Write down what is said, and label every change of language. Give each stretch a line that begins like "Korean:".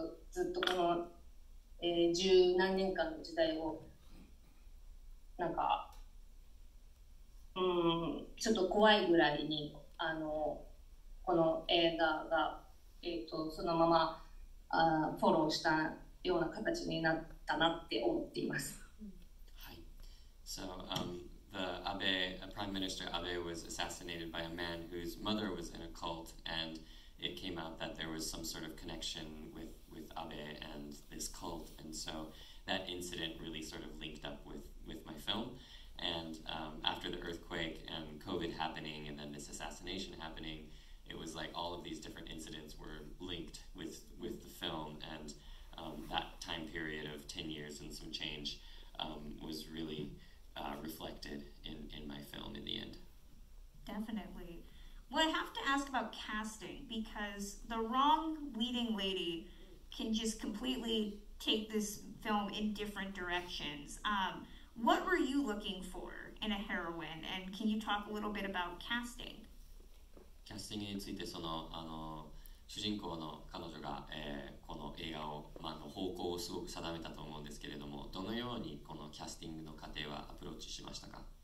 Japanese: ずっとこの十何年間の時代をなんかちょっと怖いぐらいにこの映画が、そのままフォローしたような形になったなって思っています。はい。
English: So, the Abe, Prime Minister Abe was assassinated by a man whose mother was in a cult, and it came out that there was some sort of connection with Abe and this cult, and so that incident really sort of linked up with my film. And after the earthquake and COVID happening and then this assassination happening, it was like all of these different incidents were linked with the film, and that time period of 10 years and some change was really reflected in my film in the end. Definitely. Well, I have to ask about casting, because the wrong leading lady can just completely take this film in different directions. What were you looking for in a heroine, and can you talk a little bit about casting?
Japanese: キャスティングについて、その主人公の彼女が、この映画を、まあ、の方向をすごく定めたと思うんですけれども、どのようにこのキャスティングの過程はアプローチしましたか？